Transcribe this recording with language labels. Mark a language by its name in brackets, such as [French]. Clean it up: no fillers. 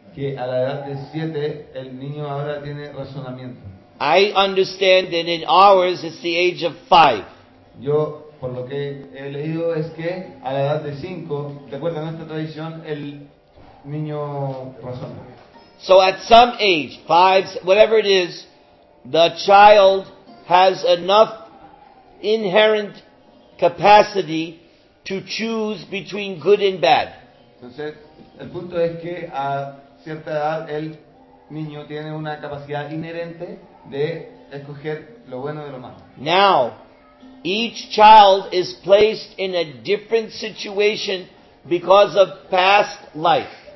[Spanish] Que a la edad de siete, el niño ahora tiene razonamiento. [English] I understand that in ours it's the age of five. [Spanish] Yo, por lo que he leído, es que a la edad de cinco, de acuerdo a nuestra tradición, el niño razona. [English] So at some age, five, whatever it is, the child has enough inherent capacity to choose between good and bad. [Spanish] Entonces, el punto es que a cierta edad el niño tiene una capacidad inherente de escoger lo bueno de lo malo. [English] Now, each child is placed in a different situation because of past life.